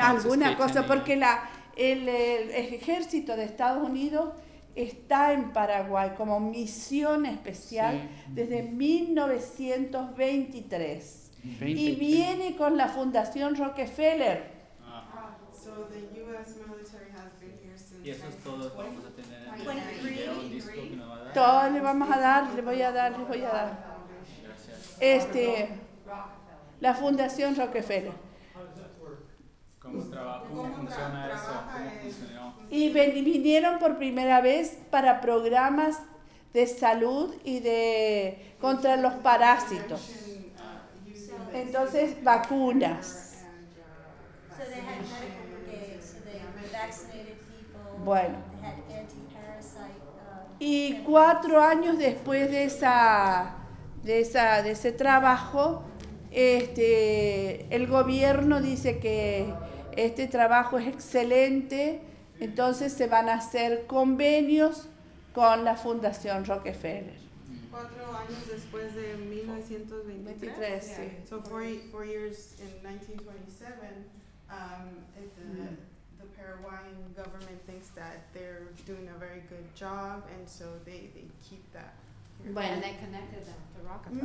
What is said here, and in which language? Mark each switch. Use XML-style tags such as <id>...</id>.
<es>alguna cosa, porque el ejército de Estados Unidos está en Paraguay como misión especial desde 1923 y viene con la Fundación Rockefeller.</es> <en>So the US military has been here since.</en> <es>Y eso es todo, vamos a tener el video, disco que nos va a dar. Todo le vamos a dar, le voy a dar. Este, la Fundación Rockefeller. ¿Cómo funciona eso? Y vinieron por primera vez para programas de salud y de contra los parásitos. Entonces, vacunas. Bueno. Y 4 años después de ese trabajo, este, el gobierno dice que este trabajo es excelente, entonces se van a hacer convenios con la Fundación Rockefeller. 4 años después de 1923.</es> <en>Yeah. So four years in 1927, the Paraguayan government thinks that they're doing a very good job, and so they keep that.</en> <es>Bueno,</es> <en>and they connected them to Rockefeller.</en>